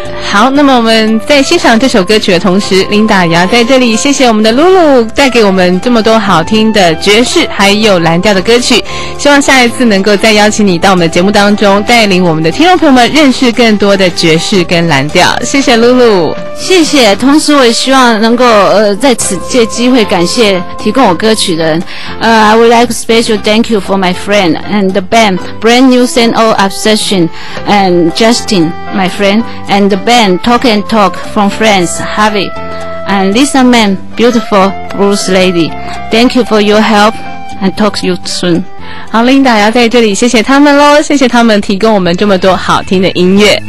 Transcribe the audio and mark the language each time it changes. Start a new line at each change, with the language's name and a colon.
Chinese: 好，那么我们在欣赏这首歌曲的同时，琳达也要在这里谢谢我们的露露，带给我们这么多好听的爵士还有蓝调的歌曲。希望下一次能够再邀请你到我们的节目当中，带领我们的听众朋友们认识更多的爵士跟蓝调。谢谢露露。谢谢，同时我也希望能够在此借机会感谢提供我歌曲的人。
English: I would like special thank you for my friend and the band Brand New Saint O Obsession and Justin, my friend, and the band Talk and Talk from France, Harvey, and Lisa Mann, beautiful blues lady. Thank you for your help and talk to you soon.
Chinese: 好，琳达要在这里谢谢他们咯，谢谢他们提供我们这么多好听的音乐。